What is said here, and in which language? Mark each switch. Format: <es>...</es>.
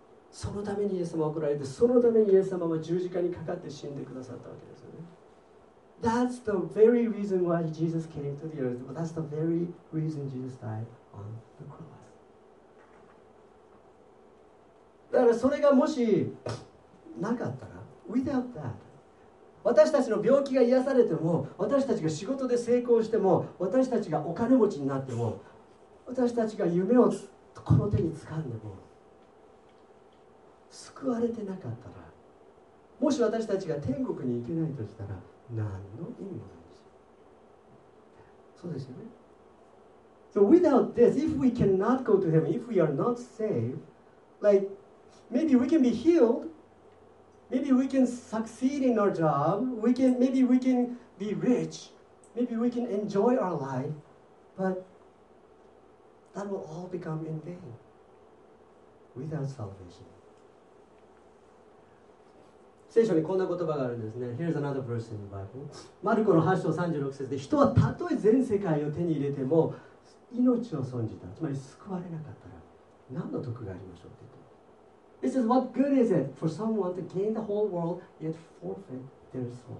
<ja>そのためにイエス様は来られて、そのためにイエス様は十字架にかかって死んでくださったわけですよね。</ja> <en>That's the very reason why Jesus came to the earth. That's the very reason Jesus died on the cross.</en> <ja>だからそれがもしなかったら、</ja> <en>without that,</en> <ja>私たちの病気が癒されても、私たちが仕事で成功しても、私たちがお金持ちになっても、私たちが夢をこの手につかんでも、救われてなかったら、もし私たちが天国に行けないとしたら、何の意味もないんですよ。そうですよね。</ja> <en>So without this, if we cannot go to heaven, if we are not saved, like maybe we can be healedMaybe we can succeed in our job. Maybe we can be rich. Maybe we can enjoy our life. But that will all become in vain without salvation.</en> <ja>聖書にこんな言葉があるんですね。</ja> <en>Here's another verse in the Bible.</en> <ja>マルコの8章36節で、人はたとえ全世界を手に入れても命を損じた、つまり救われなかったら何の得がありましょうって言って、</ja> <en>This is what good is it for someone to gain the whole world yet forfeit their soul.</en>